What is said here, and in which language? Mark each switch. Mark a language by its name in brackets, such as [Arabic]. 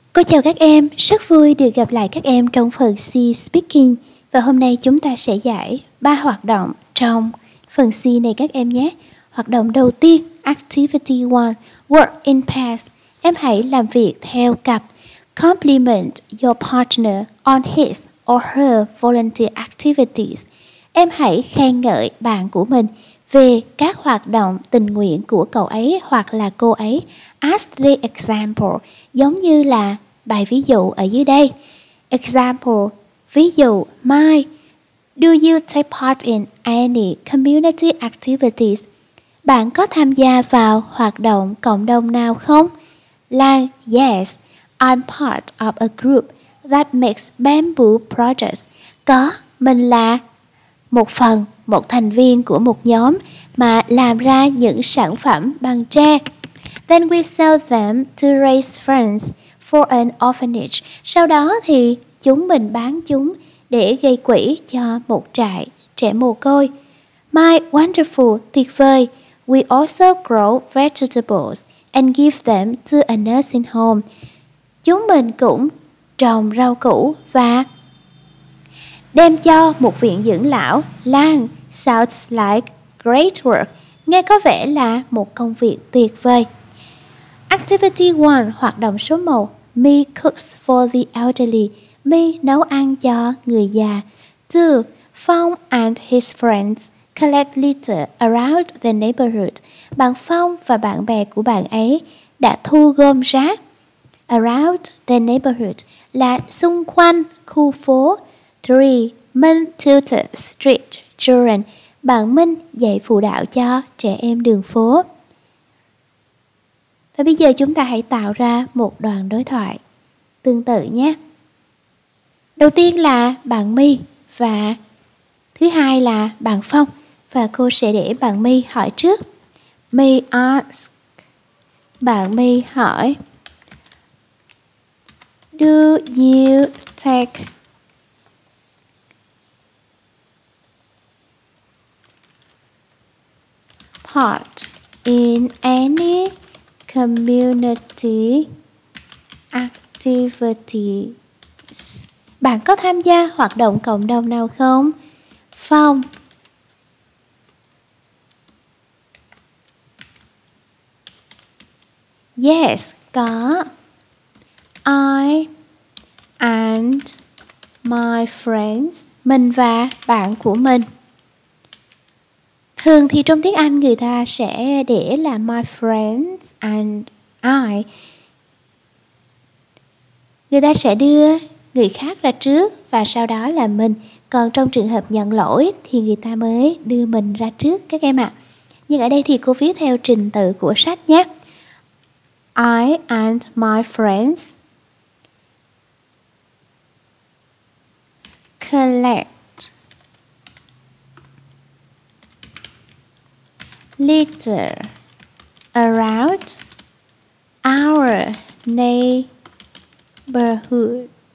[Vietnamese] Cô chào các em, rất vui được gặp lại các em trong phần C Speaking. Và hôm nay chúng ta sẽ giải 3 hoạt động trong phần C này các em nhé. Hoạt động đầu tiên, [English] Activity 1, Work in Pairs. [Vietnamese] Em hãy làm việc theo cặp. [English] Compliment your partner on his or her volunteer activities. [Vietnamese] Em hãy khen ngợi bạn của mình về các hoạt động tình nguyện của cậu ấy hoặc là cô ấy. [English] Ask the example, [Vietnamese] giống như là bài ví dụ ở dưới đây. [English] Example, [Vietnamese] ví dụ, [English] Mai, do you take part in any community activities? [Vietnamese] Bạn có tham gia vào hoạt động cộng đồng nào không? [English] Lan, yes, I'm part of a group that makes bamboo projects. [Vietnamese] Có, mình là một phần, một thành viên của một nhóm mà làm ra những sản phẩm bằng tre. [English] Then we sell them to raise funds for an orphanage. [Vietnamese] Sau đó thì chúng mình bán chúng để gây quỹ cho một trại trẻ mồ côi. [English] My wonderful, [Vietnamese] tuyệt vời. [English] We also grow vegetables and give them to a nursing home. [Vietnamese] Chúng mình cũng trồng rau củ và đem cho một viện dưỡng lão. Lan, [English] sounds like great work. [Vietnamese] Nghe có vẻ là một công việc tuyệt vời. [English] Activity 1, [Vietnamese] hoạt động số 1. [English] Me cooks for the elderly. [Vietnamese] Me nấu ăn cho người già. 2. [English] Phong and his friends collect litter around the neighborhood. [Vietnamese] Bạn Phong và bạn bè của bạn ấy đã thu gom rác. [English] Around the neighborhood [Vietnamese] là xung quanh khu phố. 3. Minh [English] tutor street children. [Vietnamese] Bạn Minh dạy phụ đạo cho trẻ em đường phố. Và bây giờ chúng ta hãy tạo ra một đoạn đối thoại tương tự nhé. Đầu tiên là bạn My và thứ hai là bạn Phong. Và cô sẽ để bạn My hỏi trước. [English] My ask. [Vietnamese] Bạn My hỏi. [English] Do you take part in any community activities? [Vietnamese] Bạn có tham gia hoạt động cộng đồng nào không? Phong. [English] Yes, [Vietnamese] có. [English] I and my friends, [Vietnamese] mình và bạn của mình. Thường thì trong tiếng Anh người ta sẽ để là [English] my friends and I. [Vietnamese] Người ta sẽ đưa người khác ra trước và sau đó là mình. Còn trong trường hợp nhận lỗi thì người ta mới đưa mình ra trước các em ạ. Nhưng ở đây thì cô viết theo trình tự của sách nhé. [English] I and my friends collect litter around our neighborhood.